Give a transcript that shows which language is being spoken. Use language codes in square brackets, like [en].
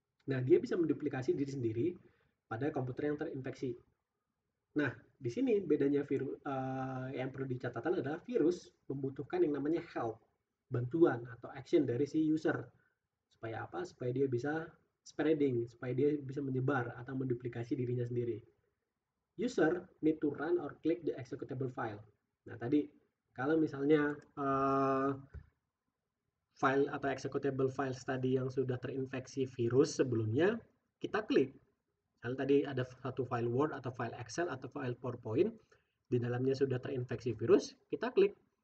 [id] Nah, dia bisa menduplikasi diri sendiri pada komputer yang terinfeksi. Nah, di sini bedanya virus yang perlu dicatatkan adalah virus membutuhkan yang namanya help, bantuan atau action dari si user. Supaya apa? Supaya dia bisa spreading, supaya dia bisa menyebar atau menduplikasi dirinya sendiri. [en] User need to run or click the executable file. [id] Nah, tadi kalau misalnya file atau executable file tadi yang sudah terinfeksi virus sebelumnya, kita klik. Kalau tadi ada satu file Word atau file Excel atau file PowerPoint, di dalamnya sudah terinfeksi virus, kita klik.